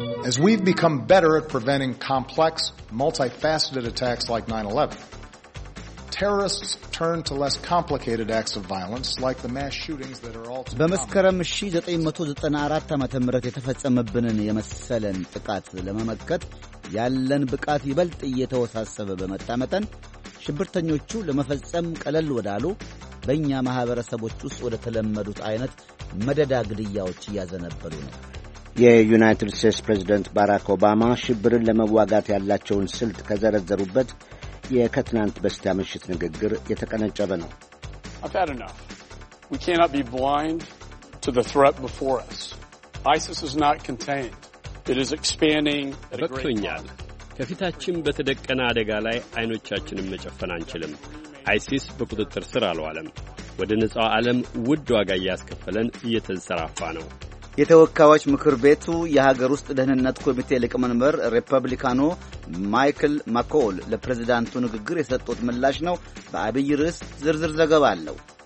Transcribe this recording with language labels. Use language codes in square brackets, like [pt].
[en] As we've become better at preventing complex, multifaceted attacks like 9/11, terrorists turn to less complicated acts of violence like the mass shootings that are all [am] በመስከረም 1994 ዓመተ ምህረት የተፈጸመብንን የመሰለን ጥቃት ለመመከት ያለን ብቃት ይበልጥ እየተወሳሰበ በመጣመጠን ሽብርተኞቹ ለመፈጸም ቀለል ወዳሉ በእኛ ማህበረሰቦች ውስጥ ወደ ተለመዱት አይነት መደዳ ግድያዎች ያዘነበሉ ነው። የዩናይትድ ስቴትስ ፕሬዝደንት ባራክ ኦባማ ሽብርን ለመዋጋት ያላቸውን ስልት ከዘረዘሩበት የከትናንት በስቲያ ምሽት ንግግር የተቀነጨበ ነው። [en] I've had enough. We cannot be blind to the threat before us. ISIS is not contained. It is expanding at a great rate. [am] በቅኛል ከፊታችን በተደቀነ አደጋ ላይ አይኖቻችንን መጨፈን አንችልም። ISIS በቁጥጥር ስር አልዋለም። ወደ ነጻው ዓለም ውድ ዋጋ ያስከፈለን እየተንሰራፋ ነው። የተወካዮች ምክር ቤቱ የሀገር ውስጥ ደህንነት ኮሚቴ ሊቀመንበር ሪፐብሊካኑ ማይክል ማኮል ለፕሬዝዳንቱ ንግግር የሰጡት ምላሽ ነው። በአብይ ርዕስ ዝርዝር ዘገባ አለው።